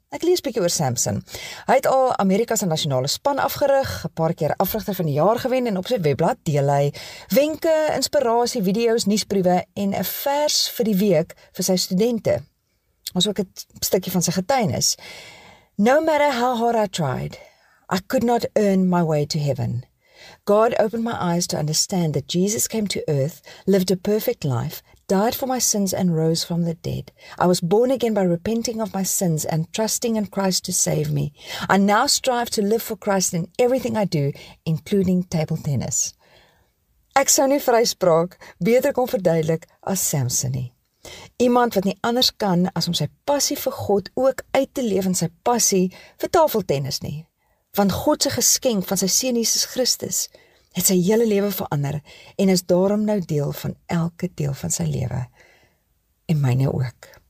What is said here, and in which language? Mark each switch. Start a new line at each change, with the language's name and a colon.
Afrikaans: Ek lees bietjie oor Samson. Hy het al Amerika se nasionale span afgerig, 'n paar keer afrigter van die jaar gewen en op sy webblad deel hy wenke, inspirasie, video's, nuusbriewe en 'n vers vir die week vir sy studente. Ons ook 'n stukkie van sy getuienis.
English: No matter how hard I tried, I could not earn my way to heaven. God opened my eyes to understand that Jesus came to earth, lived a perfect life, died for my sins and rose from the dead. I was born again by repenting of my sins and trusting in Christ to save me. I now strive to live for Christ in everything I do, including table tennis.
Afrikaans: Ek sou nie vryspraak beter kon verduidelik as Samson nie. Iemand wat nie anders kan as om sy passie vir God ook uit te leef in sy passie vir tafeltennis nie. Want God se geskenk van sy seun Jesus Christus het sy hele lewe verander en is daarom nou deel van elke deel van sy lewe. En myne ook.